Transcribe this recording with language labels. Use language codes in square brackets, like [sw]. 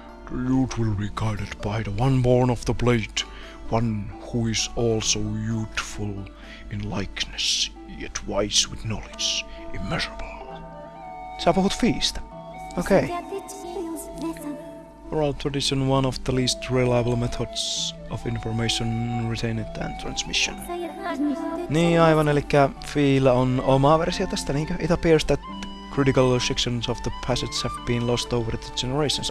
[en] The youth will be guided by the one born of the blade, one who is also youthful in likeness. Yet wise with knowledge, immeasurable. [fi] Sä puhut fiista. Okei. [en] Okay. Oral tradition, one of the least reliable methods of information retained and transmission. [fi] Niin aivan, elikkä fiila on oma versio tästä, niinkö? [en] It appears that critical sections of the passage have been lost over the generations.